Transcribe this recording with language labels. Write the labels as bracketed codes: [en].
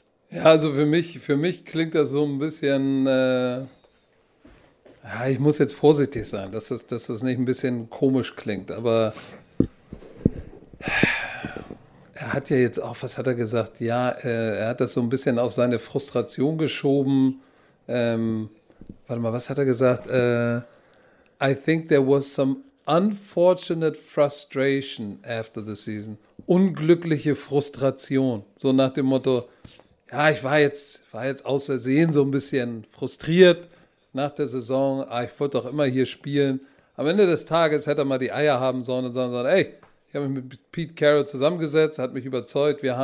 [de] Ja, also für mich klingt das so ein bisschen, ja, ich muss jetzt vorsichtig sein, dass das nicht ein bisschen komisch klingt, aber ja, er hat ja jetzt auch, was hat er gesagt? Ja, er hat das so ein bisschen auf seine Frustration geschoben. Warte mal, was hat er gesagt? [en] I think there was some unfortunate frustration after the season. [de] Unglückliche Frustration. So nach dem Motto, ja, ich war jetzt aus Versehen so ein bisschen frustriert nach der Saison. Ah, ich wollte doch immer hier spielen. Am Ende des Tages hätte er mal die Eier haben sollen und sagen sollen, ey, ich habe mich mit Pete Carroll zusammengesetzt, hat mich überzeugt.